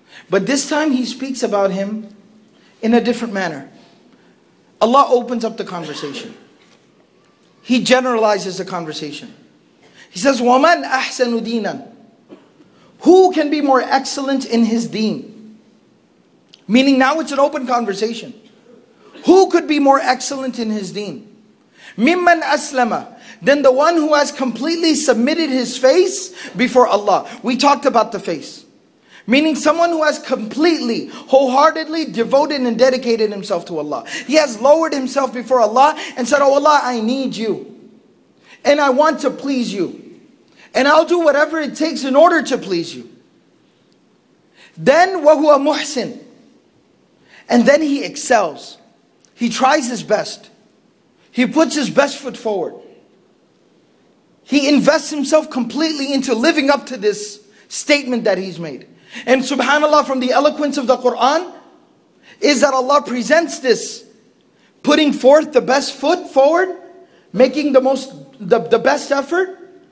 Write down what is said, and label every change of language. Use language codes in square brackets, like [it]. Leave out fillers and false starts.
[en] But this time He speaks about him in a different manner. Allah opens up the conversation. He generalizes the conversation. [ar] He says, "وَمَنْ أَحْسَنُ دِينًا." [en] Who can be more excellent in his deen? Meaning now it's an open conversation. Who could be more excellent in his deen? [ar] "مِمَّنْ أَسْلَمَ." [en] Than the one who has completely submitted his face before Allah. We talked about the face. Meaning someone who has completely, wholeheartedly devoted and dedicated himself to Allah. He has lowered himself before Allah and said, "Oh Allah, I need you. And I want to please you. And I'll do whatever it takes in order to please you." Then, [ar] وَهُوَ مُحْسِن. [en] And then he excels. He tries his best. He puts his best foot forward. He invests himself completely into living up to this statement that he's made. And subhanAllah, from the eloquence of the Qur'an, is that Allah presents this, putting forth the best foot forward, making the best effort.